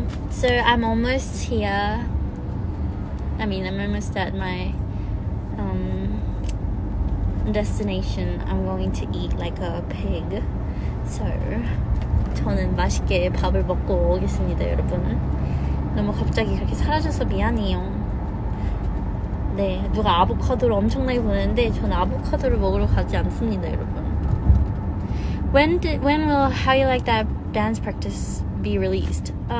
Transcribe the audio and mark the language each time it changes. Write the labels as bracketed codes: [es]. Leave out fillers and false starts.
[en] So I'm almost here. I mean I'm almost at my destination. I'm going to eat like a pig. [ko] So 저는 맛있게 밥을 먹고 오겠습니다, 여러분. 너무 갑자기 그렇게 사라져서 미안해요. 네, 누가 아보카도를 엄청나게 보냈는데 저는 아보카도를 먹으러 가지 않습니다, 여러분. [en] When will How You Like That dance practice be released?